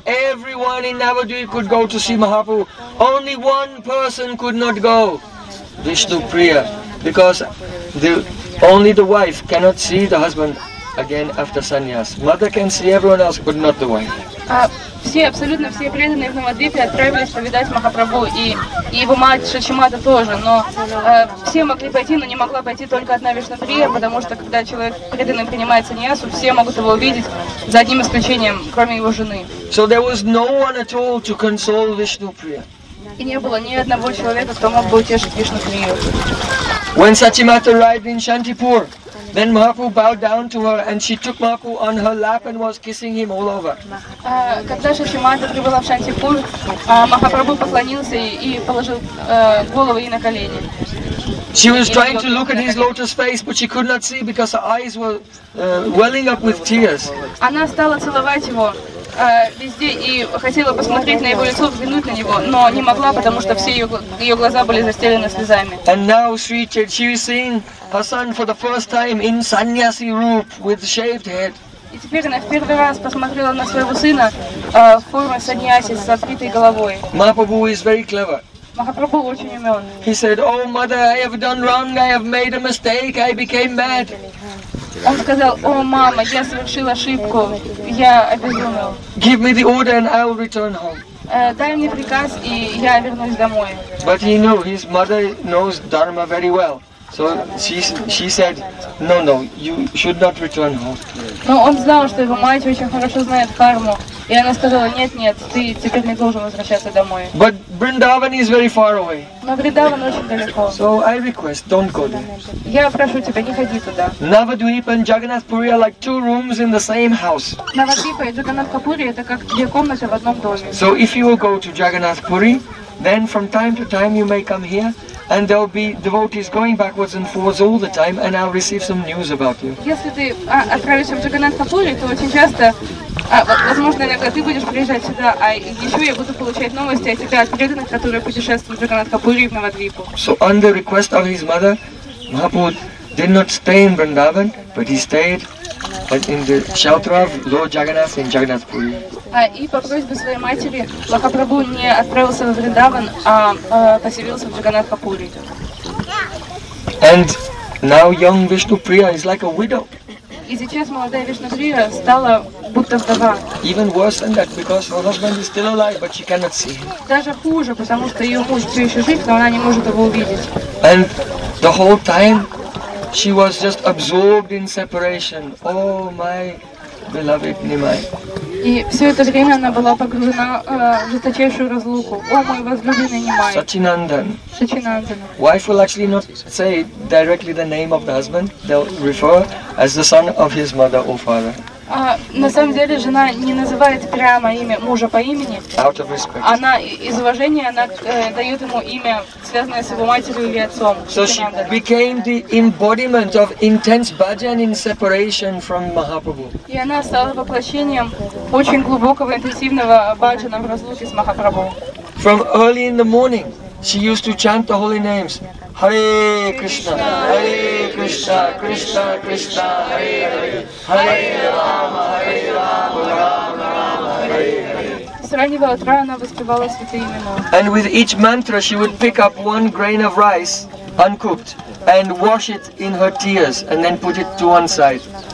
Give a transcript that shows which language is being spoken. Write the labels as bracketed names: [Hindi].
[English] Everyone in Navadvip could go to see Mahaprabhu. Only one person could not go, Vishnupriya, because only the wife cannot see the husband again after sannyas. Mother can see everyone else, but not the wife. [Russian] Все, абсолютно все преданные в Навадвипе отправились повидать Махапрабху и его мать Шачимата тоже, но все могли пойти, но не могла пойти только одна Вишнуприя, потому что когда человек преданным принимает саньясу, все могут его увидеть, за одним исключением, кроме его жены. [English] So there was no one at all to console Vishnupriya. [Russian] И не было ни одного человека, кто мог бы утешить Вишнуприю. [English] When Sachimata arrived in Shantipur, then Mahaprabhu bowed down to her and she took Mahaprabhu on her lap and was kissing him all over. [Russian] Когда Шачимата прибыла в Шантипур, Махапрабху поклонился и положил голову ей на колени. [English] She was trying to look at his lotus face, but she could not see because her eyes were welling up with tears. [Russian] Она стала целовать его везде и хотела посмотреть на его лицо, взглянуть на него, но не могла, потому что все ее глаза были застелены слезами. [English] And now she was seeing her son for the first time in sannyasi roop with shaved head. [Russian] И теперь она в первый раз посмотрела на своего сына в форме саньяси с отбитой головой. [English] Mahaprabhu is very clever. [Russian] Махапрабху очень умен. [English] He said, "Oh, mother, I have done wrong. I have made a mistake. I became mad." [Russian] Он сказал: "О, мама, я совершил ошибку. Я обезумел." [English] Give me the order, and I will return home. [Russian] Дай мне приказ, и я вернусь домой. [English] But he knew his mother knows dharma very well, so she said, "No, no, you should not return home." [Russian] Но он знал, что его мать очень хорошо знает карму. И она сказала: нет, ты теперь не должен возвращаться домой. [English] But Vrindavan is very far away. [Russian] Но Вриндаван очень далеко. [English] So I request, don't go there. [Russian] Я прошу тебя, не ходи туда. [English] Navadvip and Jagannath Puri are like two rooms in the same house. [Russian] Navadvip и Jagannath Puri — это как две комнаты в одном доме. [English] So if you will go to Jagannath Puri, then from time to time you may come here, and there will be devotees going backwards and forwards all the time, and I'll receive some news about you. [Russian] Если ты отправишься в Джаганнатха Пури, то очень часто, возможно, иногда ты будешь приезжать сюда, а еще я буду получать новости о тебе от преданных, которые путешествуют в Джаганнатха Пури в Навадвипу. [English] So on the request of his mother, Mahaprabhu did not stay in Vrindavan, but he stayed in the shelter of Lord Jagannath in Jagannath Puri. [Russian] И по просьбе своей матери Махапрабху не отправился в Вриндаван, а поселился в Джаганнатха Пури. [English] And now young Vishnupriya is like a widow. [Russian] И сейчас молодая Вишнуприя стала будто вдова. [English] Even worse than that, because her husband is still alive, but she cannot see him. [Russian] Даже хуже, потому что ее муж все еще жив, но она не может его увидеть. [English] And the whole time she was just absorbed in separation. Oh, my beloved Nimai. [Russian] И все это время она была погружена в жесточайшую разлуку. О, мой возлюбленный Нимай. Сачинандан. Сачинандан. [English] Wife will actually not say directly the name of the husband. They'll refer as the son of his mother or father. [Russian] На самом деле жена не называет прямо имя мужа по имени. [English] Out of respect. [Russian] Она из уважения дает ему имя, связанное с его матерью или отцом. [English] So she became the embodiment of intense bhajan in separation from Mahaprabhu. [Russian] И она стала воплощением очень глубокого интенсивного бхаджана в разлуке с Махапрабху. [English] From early in the morning, she used to chant the holy names. [Sanskrit] Hare Krishna, Krishna Krishna, Hare Hare, Hare Rama, Rama Rama, Hare Hare. [Russian] С раннего утра она воспевала святые имена. [English] And with each mantra, she would pick up one grain of rice, uncooked, and wash it in her tears, and then put it to one side.